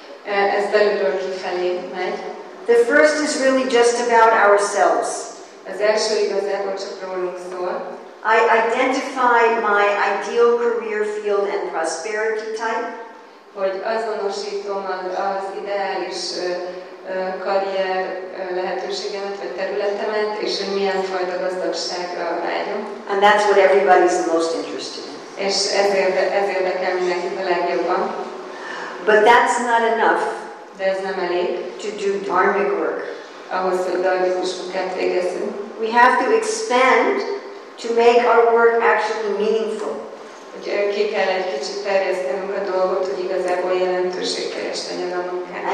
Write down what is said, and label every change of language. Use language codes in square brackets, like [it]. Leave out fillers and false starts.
[hu] Ez belülről kifelé megy. [en] The first is really just about ourselves. [hu] Az első igazából csak rólunk szól. [en] I identify my ideal career field and prosperity type. [hu] Hogy azonosítom az ideális karrier lehetőségemet vagy területemet, és hogy milyen fajta gazdagságra vágyom. [en] And that's what everybody's the most interested in. [hu] És ez érdekel mindenki a legjobban. [en] But that's not enough. [hu] De ez nem elég. [en] To do dharmic work. [hu] Ahhoz, hogy dharmikus munkát végezzünk. [en] We have to expand to make our work actually meaningful. [hu] Ki kell egy kicsit terjesztenünk a dolgot, hogy igazából jelentőség keresztenjen a munkát.